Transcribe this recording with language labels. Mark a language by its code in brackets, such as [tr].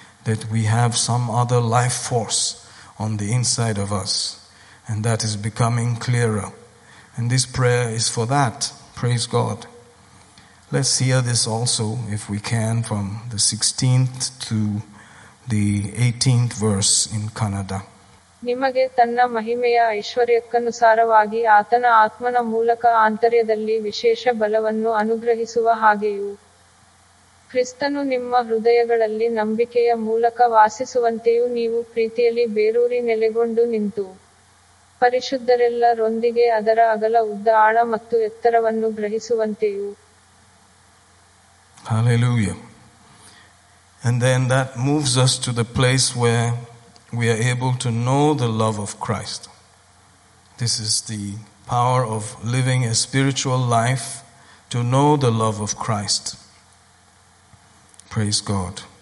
[en] That we have some other life force on the inside of us, and that is becoming clearer. And this prayer is for that. Praise God. Let's hear this also, if we can, from the 16th to the 18th verse in Kannada. [kn] ನಿಮಗೆ ತನ್ನ ಮಹಿಮೆಯ ಐಶ್ವರ್ಯಕ್ಕನುಸಾರವಾಗಿ ಆತನ ಆತ್ಮನ ಮೂಲಕ ಆಂತರ್ಯದಲ್ಲಿ ವಿಶೇಷ ಬಲವನ್ನು ಅನುಗ್ರಹಿಸುವ ಹಾಗೆಯೂ ಕ್ರಿಸ್ತನು ನಿಮ್ಮ ಹೃದಯಗಳಲ್ಲಿ ನಂಬಿಕೆಯ ಮೂಲಕ ವಾಸಿಸುವಂತೆಯೂ ನೀವು ಪ್ರೀತಿಯಲ್ಲಿ ಬೇರೂರಿ ನೆಲೆಗೊಂಡು ನಿಂತು ಪರಿಶುದ್ಧರೆಲ್ಲರೊಂದಿಗೆ ಅದರ ಅಗಲ ಉದ್ದ ಆಳ ಮತ್ತು ಎತ್ತರವನ್ನು ಗ್ರಹಿಸುವಂತೆಯೂ. [en] Hallelujah. And then that moves us to the place where we are able to know the love of Christ. This is the power of living a spiritual life to know the love of Christ. Praise God.